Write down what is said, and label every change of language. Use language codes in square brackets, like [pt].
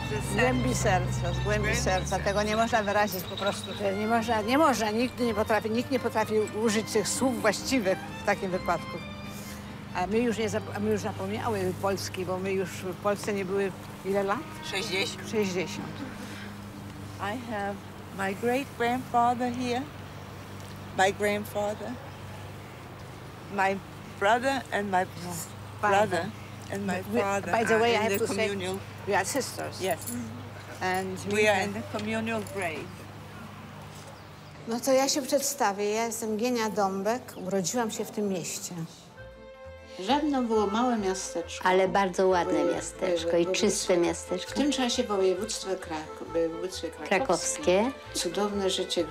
[pl] z głębi serca, z głębi serca. Tego nie można wyrazić po prostu. Nie można, nie można, nigdy nie potrafi, nikt nie potrafi użyć tych słów właściwych w takim wypadku. A my już nie, my już zapomniały Polski, bo my już w Polsce nie były ile lat? 60. 60. [en] I have my great-grandfather here, my grandfather, my brother and my brother. And my father. By the way, I have to communal. Say, we are sisters. Yes. And we are in the communal grave. [pl] No to ja się przedstawię. Ja jestem Genia Dąbek. Urodziłam się w tym mieście. Żadno było małe miasteczko. Ale bardzo ładne miasteczko i czyste miasteczko. W tym czasie województwo krakowskie. Cudowne życie